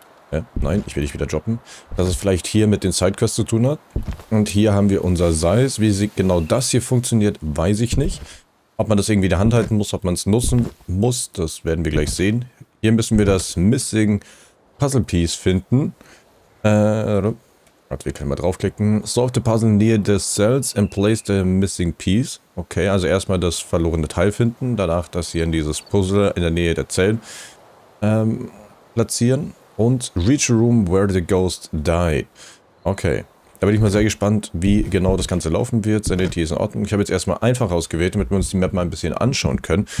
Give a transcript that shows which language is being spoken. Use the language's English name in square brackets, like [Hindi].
[German] Ja, nein, ich will dich wieder droppen. Dass es vielleicht hier mit den Sidequests zu tun hat. Und hier haben wir unser Salz. Wie genau das hier funktioniert, weiß ich nicht. Ob man das irgendwie da handhalten muss, ob man es nutzen muss, das werden wir gleich sehen. Hier müssen wir das [English] Missing Puzzle Piece [German] finden. Warte, wir können mal draufklicken. [English] Solve the puzzle near the cells and place the missing piece. [German] Okay, also erstmal das verlorene Teil finden. Danach das hier in dieses Puzzle in der Nähe der Zellen platzieren. Und [English] Reach a Room Where the Ghost Died. [German] Okay. Da bin ich mal sehr gespannt, wie genau das Ganze laufen wird. Sanity ist in Ordnung. Ich habe jetzt erstmal einfach ausgewählt, damit wir uns die Map mal ein bisschen anschauen können.